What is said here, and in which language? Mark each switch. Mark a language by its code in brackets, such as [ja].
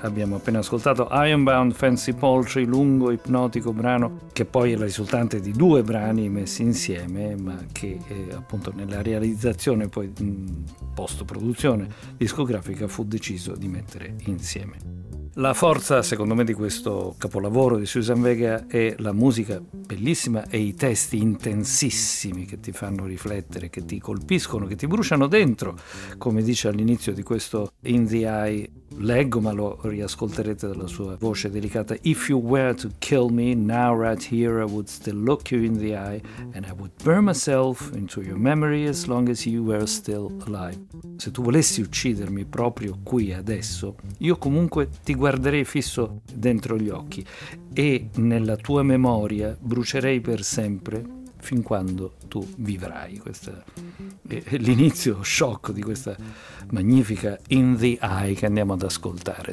[it] Abbiamo appena ascoltato Ironbound Fancy Poultry, lungo ipnotico brano che poi è la risultante di due brani messi insieme, ma che appunto nella realizzazione poi post produzione discografica fu deciso di mettere insieme. La forza, secondo me, di questo capolavoro di Susan Vega è la musica bellissima e i testi intensissimi che ti fanno riflettere, che ti colpiscono, che ti bruciano dentro, come dice all'inizio di questo In the Eye. Leggo, ma lo riascolterete dalla sua voce delicata: [en] If you were to kill me now right here, I would still look you in the eye and I would burn myself into your memory as long as you were still alive. [it] Se tu volessi uccidermi proprio qui adesso, io comunque ti guarderei fisso dentro gli occhi e nella tua memoria brucerei per sempre fin quando tu vivrai. Questo è l'inizio sciocco di questa magnifica In the Eye che andiamo ad ascoltare.